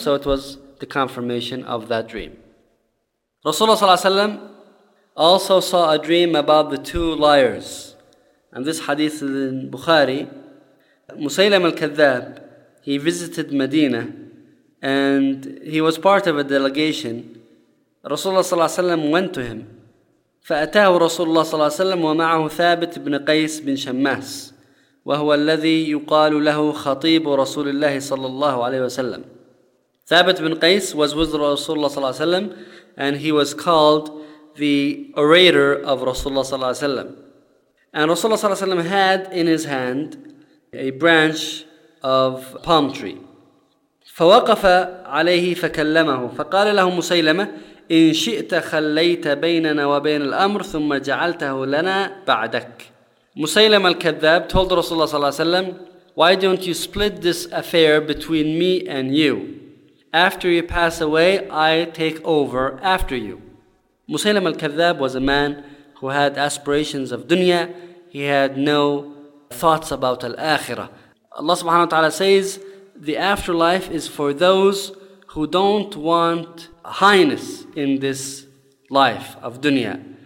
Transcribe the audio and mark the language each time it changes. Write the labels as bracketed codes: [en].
[en] So it was the confirmation of that dream. Rasulullah [ar] صلى الله عليه وسلم [en] also saw a dream about the two liars. And this hadith is in Bukhari. Musaylam al-Kadhab, he visited Medina and he was part of a delegation. Rasulullah sallallahu alayhi wa sallam went to him. [ar] فأتاه رسول الله صلى الله عليه وسلم ومعه ثابت بن قيس بن شماس وهو الذي يقال له خطيب رسول الله صلى الله عليه وسلم. [en] ثابت بن قيس was with [ar] رسول الله صلى الله عليه وسلم [en] and he was called the orator of رسول الله صلى الله عليه وسلم. And [ar] رسول الله صلى الله عليه وسلم [en] had in his hand a branch of palm tree. [ar] فوقف عليه فكلمه فقال له مسيلمة إن شئت خليت بيننا وبين الأمر ثم جعلته لنا بعدك. [en] مسيلم الكذاب told [ar] رسول الله صلى الله عليه وسلم, [en] why don't you split this affair between me and you? After you pass away, I take over after you. مسيلم الكذاب was a man who had aspirations of dunya. He had no thoughts about الآخرة. Allah subhanahu wa ta'ala says, the afterlife is for those who don't want highness in this life of dunya.